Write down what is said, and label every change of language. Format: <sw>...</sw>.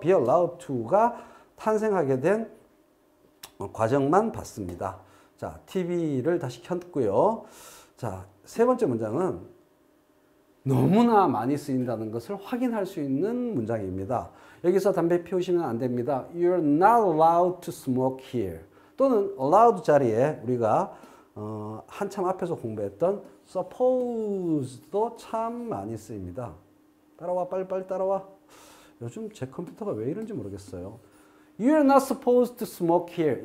<ko>be allowed to가 탄생하게 된 과정만 봤습니다. 자, TV를 다시 켰고요. 자, 세 번째 문장은 너무나 많이 쓰인다는 것을 확인할 수 있는 문장입니다. 여기서 담배 피우시면 안 됩니다.</ko> <en>You're not allowed to smoke here.</en> <ko>또는 allowed 자리에 우리가 한참 앞에서 공부했던 suppose도 참 많이 쓰입니다. 따라와, 빨리빨리 따라와. 요즘 제 컴퓨터가 왜 이런지 모르겠어요.</ko> <en>You're not supposed to smoke here.</en>